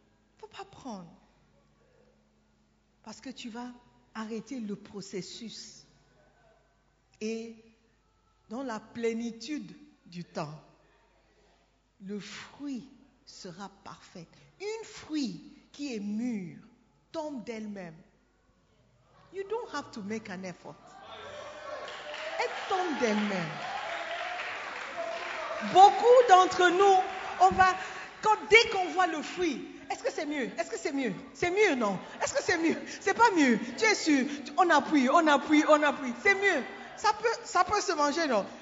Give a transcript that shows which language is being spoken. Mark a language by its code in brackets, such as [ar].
[fr] Il ne faut pas prendre. Parce que tu vas arrêter le processus. Et dans la plénitude du temps, le fruit sera parfait. Une fruit qui est mûre tombe d'elle-même. [en] You don't have to make an effort. [fr] Elle tombe d'elle-même. Beaucoup d'entre nous, dès qu'on voit le fruit, est-ce que c'est mieux? Est-ce que c'est mieux? C'est mieux, non? Est-ce que c'est mieux? C'est pas mieux. Tu es sûr? On appuie. C'est mieux. Ça peut se manger, non?